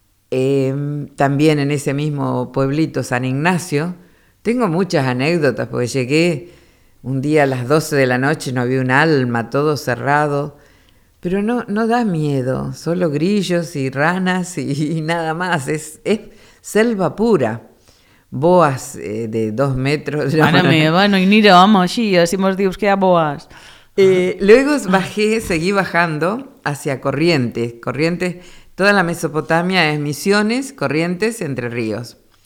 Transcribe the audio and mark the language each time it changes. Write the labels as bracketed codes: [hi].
[es] También en ese mismo pueblito, San Ignacio. Tengo muchas anécdotas, porque llegué un día a las 12 de la noche, no había un alma, todo cerrado, pero no da miedo, solo grillos y ranas y nada más, es selva pura. Boas de 2 metros. [ca] Mare meva, no hi anirem, així, si mos dius que hi ha boas. [es] Luego bajé, seguí bajando hacia Corrientes. Corrientes, toda la Mesopotamia es Misiones, Corrientes, Entre Ríos.